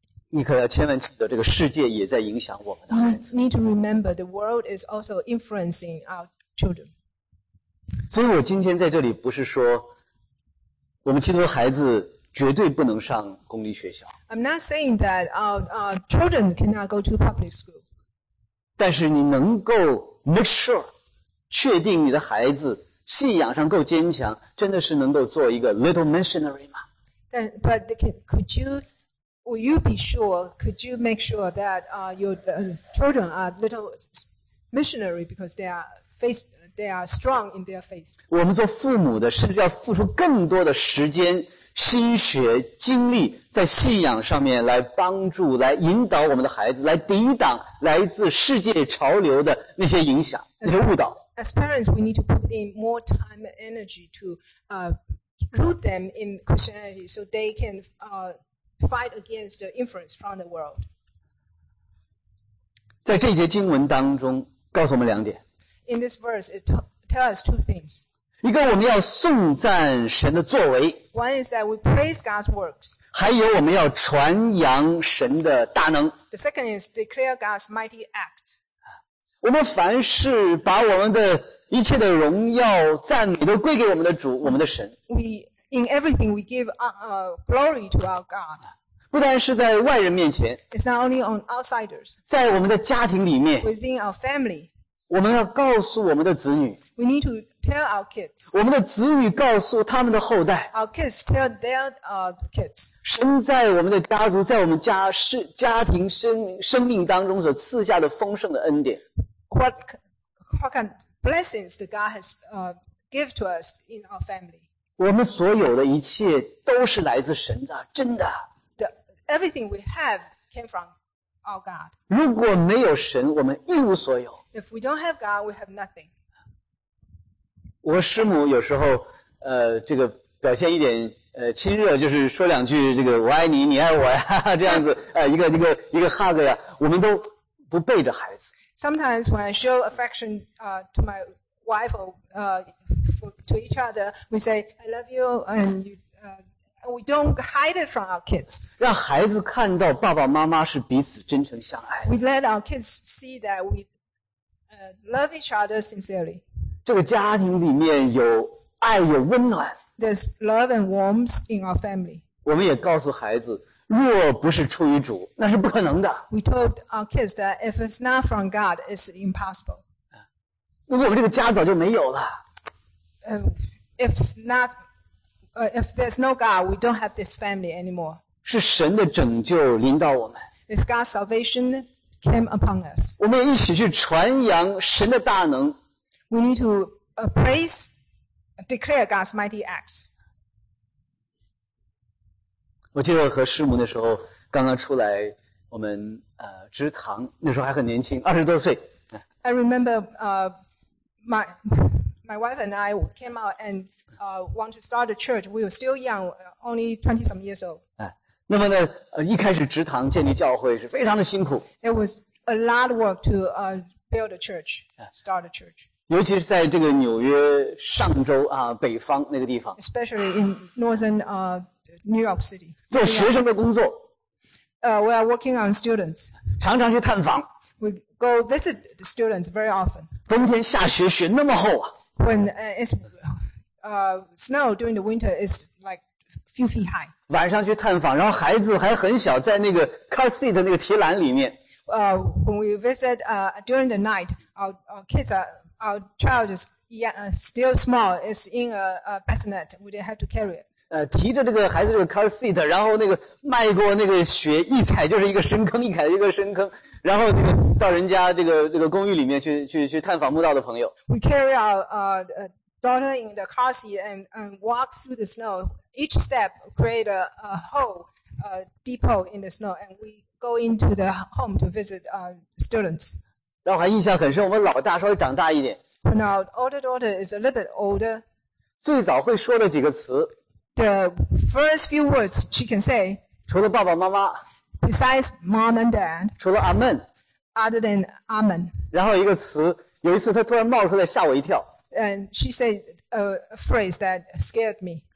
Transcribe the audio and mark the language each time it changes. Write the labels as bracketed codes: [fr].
[zh] 你可要千万记得，这个世界也在影响我们的孩子。 [en] Need to remember the world is also influencing our children. [zh] 所以我今天在这里不是说我们基督徒孩子绝对不能上公立学校。 [en] I'm not saying that children cannot go to public school. [zh] 但是你能够 [en] make sure, [zh] 确定你的孩子信仰上够坚强，真的是能够做一个 [en] little missionary [zh] 吗？ [en] But could you, will you be sure, could you make sure that your children are little missionary because they are faithful? They are strong in their faith. [zh] 我们做父母的甚至要付出更多的时间心血精力在信仰上面来帮助来引导我们的孩子来抵挡来自世界潮流的那些影响那些误导。 [en] As parents, we need to put in more time and energy to root them in Christianity so they can fight against the influence from the world. [zh] 在这节经文当中告诉我们两点。 [en] In this verse, it tells us two things. [zh] 一个我们要颂赞神的作为。 [en] One is that we praise God's works. [zh] 还有我们要传扬神的大能。 [en] The second is declare God's mighty act. [zh] 我们凡事把我们的一切的荣耀赞美都归给我们的主，我们的神。 [en] We, in everything, we give glory to our God. [zh] 不单是在外人面前。 [en] It's not only on outsiders. [zh] 在我们的家庭里面。 [en] Within our family. [zh] 我们要告诉我们的子女 [en] We need to tell our kids. [zh] 我们的子女告诉他们的后代 [en] Our kids tell their kids. [zh] 神在我们的家族在我们 家庭 生命当中所赐下的丰盛的恩典 [en] What kind of blessings that God has give to us in our family. [zh] 我们所有的一切都是来自神的真的 [en] Everything we have came from our God. [zh] 如果没有神我们一无所有 [en] If we don't have God, we have nothing. [zh] 我师母有时候这个表现一点亲热就是说两句这个我爱你你爱我呀这样子一个 hug 呀我们都不背着孩子。 [en] Sometimes when I show affection, to my wife or, to each other, we say, I love you, and you, we don't hide it from our kids. [zh] 让孩子看到爸爸妈妈是彼此真诚相爱。 [en] We let our kids see that weLove each other sincerely. [zh] 这个家庭里面有爱有温暖。 [en] There's love and warmth in our family. [zh] 我们也告诉孩子，若不是出于主，那是不可能的。 [en] We told our kids that if it's not from God, it's impossible. [zh] 那我们这个家早就没有了。 [en] If there's no God, we don't have this family anymore. [zh] 是神的拯救临到我们。 [en] It's God's salvation. Came upon us. [zh] 我们一起去传扬神的大能。 [en] We need to praise, declare God's mighty acts. [zh] 我记得和师母那时候刚刚出来，我们职堂那时候还很年轻，20多岁。 [en] I remember my wife and I came out and want to start a church. We were still young, only 20-some years old. [zh] 那么呢，一开始职堂建立教会是非常的辛苦。 [en] It was a lot of work to build a church, start a church. [zh] 尤其是在这个纽约上州啊北方那个地方。 [en] Especially in northern New York City. [zh] 做学生的工作。 [en] We are working on students. [zh] 常常去探访。 [en] We go visit the students very often. [zh] 冬天下雪，雪那么厚啊。 [en] When it's snow during the winter is like few feet high. [zh] 晚上去探访，然后孩子还很小，在那个 car seat 的那个提篮里面。 [en] When we visit during the night, our kids are our child is still small, is in a bassinet. We didn't have to carry it. [zh] 提着这个孩子这个 car seat, 然后那个迈过那个雪，一踩就是一个深坑，一踩一个深坑，然后那个到人家这个公寓里面去探访慕道的朋友。 [en] We carry our daughter in the car seat and walk through the snow. Each step create a hole, a deep hole in the snow, and we go into the home to visit students. [zh] 让我还印象很深，我们老大稍微长大一点。 [en] When our older daughter is a little bit older, [zh] 最早会说的几个词。 [en] The first few words she can say. [zh] 除了爸爸妈妈。 [en] Besides mom and dad. [zh] 除了阿门。 [en] Other than 阿门。 [zh] 然后一个词，有一次她突然冒出来，吓我一跳。 [en] And she said a phrase that scared me.